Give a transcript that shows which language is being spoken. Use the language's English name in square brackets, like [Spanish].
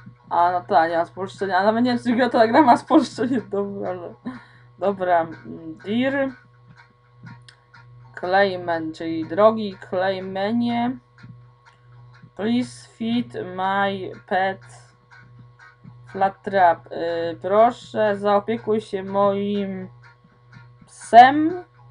[Polish] A, no to nie ma spolszczenia. Ale nie wiem, czy gra ma spolszczenie. Dobra, ale. Dobra, Dir. Clayman, czyli drogi Claymanie. [English] Please feed my pet Flattrap. [Polish] Proszę, zaopiekuj się moim psem.